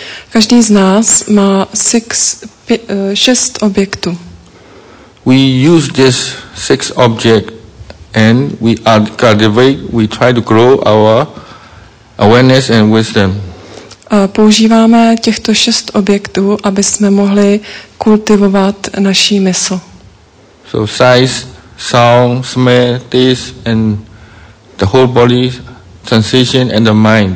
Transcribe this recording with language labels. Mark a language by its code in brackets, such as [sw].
[cs] Každý z nás má šest objektů. [en] We use this six object and we cultivate, we try to grow our awareness and wisdom. [cs] Používáme těchto šest objektů, aby jsme mohli kultivovat naši mysl. [en] So size, sound, smell, taste and the whole body, sensation and the mind.